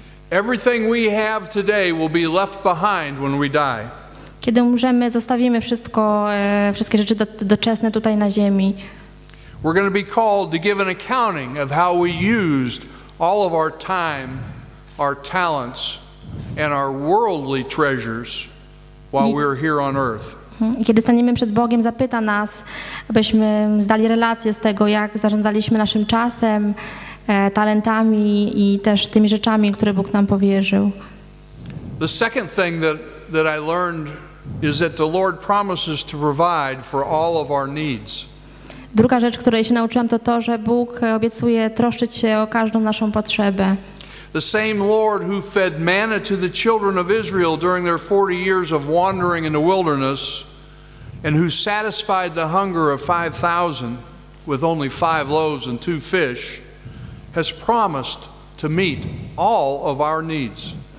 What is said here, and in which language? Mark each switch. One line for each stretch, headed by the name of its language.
English: Everything we have today will be left behind when we die.
Polish: Kiedy umrzemy, zostawimy wszystko, wszystkie rzeczy doczesne tutaj na ziemi.
English: We're going to be called to give an accounting of how we used all of our time, our talents, and our worldly treasures while we're here on earth.
Polish: Kiedy staniemy przed Bogiem, zapyta nas, abyśmy zdali relację z tego, jak zarządzaliśmy naszym czasem, talentami i też tymi rzeczami, które Bóg nam powierzył.
English: The second thing that I learned is that the Lord promises to provide for all of our needs.
Polish: Druga rzecz, której się nauczyłam, to to, że Bóg obiecuje troszczyć się o każdą naszą potrzebę.
English: The same Lord who fed manna to the children of Israel during their 40 years of wandering in the wilderness and who satisfied the hunger of 5,000 with only 5 loaves and 2 fish has promised to meet all of our needs.